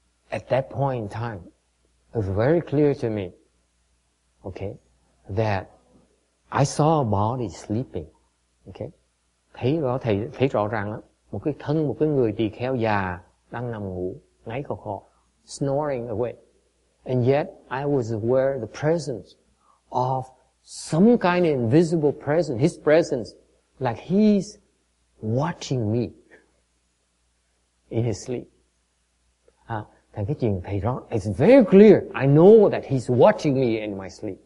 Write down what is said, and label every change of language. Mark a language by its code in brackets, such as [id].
[en] At that point in time, it was very clear to me, okay, that I saw a body sleeping. [vi] Okay, thấy rõ thấy rõ ràng lắm. Một cái thân một cái người tỳ kheo già đang nằm ngủ ngáy khò khò, [en] snoring away. And yet, I was aware of the presence of some kind of invisible presence, his presence, like he's watching me in his sleep. [vi] Thành cái chuyện thầy rõ. [en] It's very clear. I know that he's watching me in my sleep.